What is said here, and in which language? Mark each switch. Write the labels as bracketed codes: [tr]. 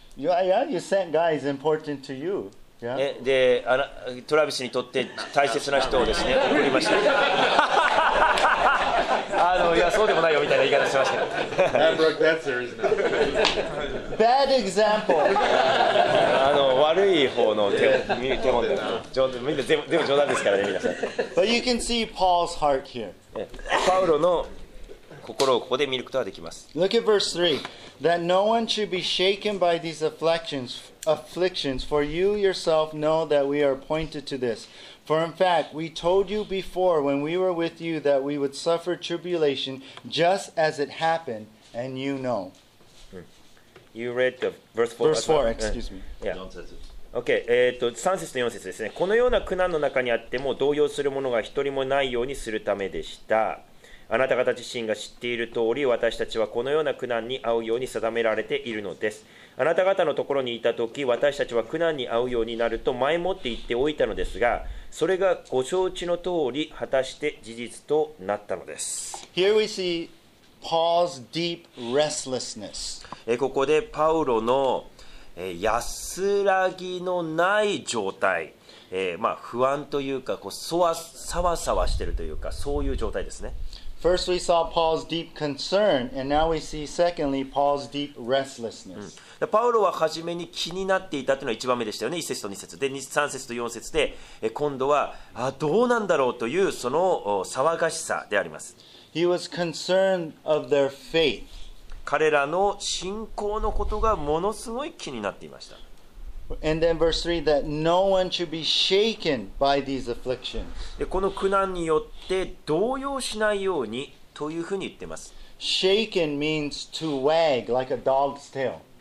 [en] Yeah, yeah, you sent guys important to you. [ja] ね、で、あの、トラビスにとって大切な人をですね、送りました。あの、いや、そうでもないよみたいな言い方しましたけど。 [en] Bad example. [ja] あの、悪い方の手本で、でも冗談ですからね、皆さん。 [en] But you can see Paul's heart here. [ja] パウロの心をここで見ることができます。 [en] Look at verse 3. That no one should be shaken by these afflictions, for you yourself know that we are appointed to this. For in fact, we told you before when we were with you that we would suffer tribulation just as it happened, and you know. You read the verse 4. Verse 4, excuse me. Yeah. [ja] Okay. 3節と4節ですね。このような苦難の中にあっても動揺する者が一人もないようにするためでした。あなた方自身が知っている通り、私たちはこのような苦難に遭うように定められているのです。あなた方のところにいたとき、私たちは苦難に遭うようになると前もって言っておいたのですが、それがご承知の通り、果たして事実となったのです。 [en] Here we see Paul's deep restlessness. [ja] ここでパウロの安らぎのない状態、まあ不安というか、さわさわしているというか、そういう状態ですね。 [en] First we saw Paul's deep concern, and now we see secondly Paul's deep restlessness. [ja] パウロは初めに気になっていたというのは1番目でしたよね、1節と2節で、3節と4節で、今度はどうなんだろうというその騒がしさであります。 [en] He was concerned of their faith. [ja] 彼らの信仰のことがものすごい気になっていました。 [en] And then verse 3, that no one should be shaken by these afflictions. [ja] でこの苦難によってで動揺しないようにというふうに言ってます。 [en] Shaken means to wag like a dog's tail.